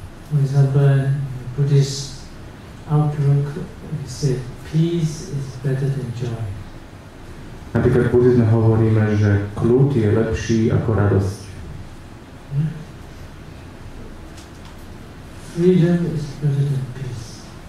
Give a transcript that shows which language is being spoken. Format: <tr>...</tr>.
<en>For example, Buddhist outlook, he said, peace is better than joy.</en> <sk>Napríklad v buddhizme hovoríme, že kľud je lepší ako radosť.</sk> <en>Freedom is better than peace.</en>